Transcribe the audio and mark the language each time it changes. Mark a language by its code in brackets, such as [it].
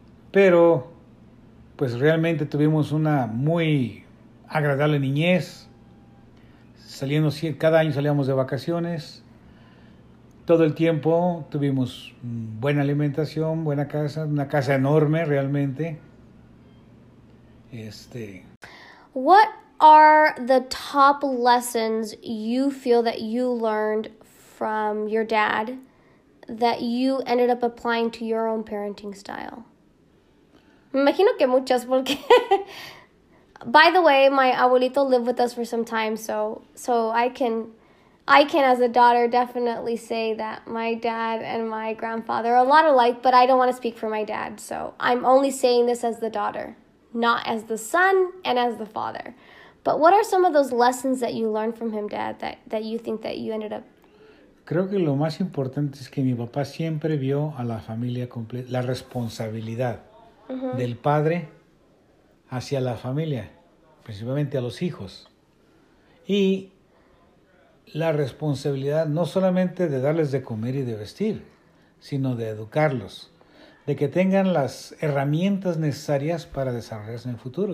[es] Pero, pues realmente tuvimos una muy agradable niñez. Saliendo, cada año salíamos de vacaciones. Todo el tiempo tuvimos buena alimentación, buena casa, una casa enorme realmente. [en] What are the top lessons you feel that you learned from your dad that you ended up applying to your own parenting style? [es] Me imagino que muchas porque... [en] By the way, my abuelito lived with us for some time, so I can, as a daughter, definitely say that my dad and my grandfather are a lot alike, but I don't want to speak for my dad. So I'm only saying this as the daughter, not as the son and as the father. But what are some of those lessons that you learned from him, Dad, that you think that you ended up? [es] Creo que lo más importante es que mi papá siempre vio a la familia completa, la responsabilidad del padre hacia la familia, principalmente a los hijos. Y la responsabilidad no solamente de darles de comer y de vestir, sino de educarlos, de que tengan las herramientas necesarias para desarrollarse en el futuro.